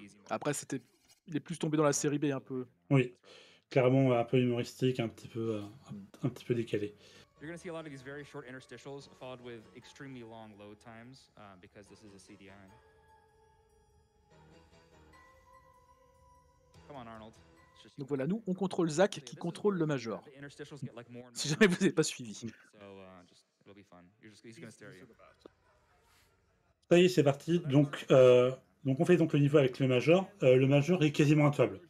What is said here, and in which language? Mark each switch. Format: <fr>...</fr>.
<fr>Après, il est plus tombé dans la série B un peu. Oui, clairement un peu humoristique, un petit peu décalé.</fr> <en>You're going to see a lot of these very short interstitials followed with extremely long load times because this is a CDI. Come on, Arnold.</en> <fr>Donc voilà, nous on contrôle Zach qui contrôle le Major. Si jamais vous n'avez pas suivi. Ça y est, c'est parti. Donc on fait donc le niveau avec le Major. Le Major est quasiment intuable.</fr>